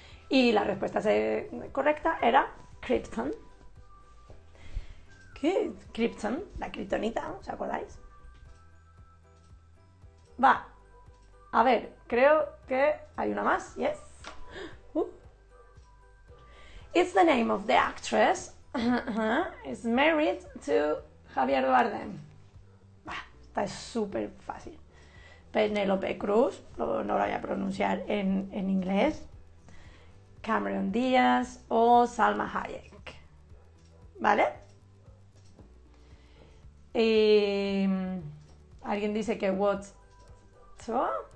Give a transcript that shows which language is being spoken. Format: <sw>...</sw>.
<es>Y la respuesta correcta era Krypton. ¿Qué? Krypton, la kryptonita, ¿os acordáis? Va. A ver, creo que hay una más, yes.</es> <en>It's the name of the actress is married to Javier Bardem.</en> <es>Bah, esta es súper fácil. Penélope Cruz, no lo voy a pronunciar en inglés. Cameron Díaz o Salma Hayek. ¿Vale? Y, ¿alguien dice que what?</es> <en>So?</en>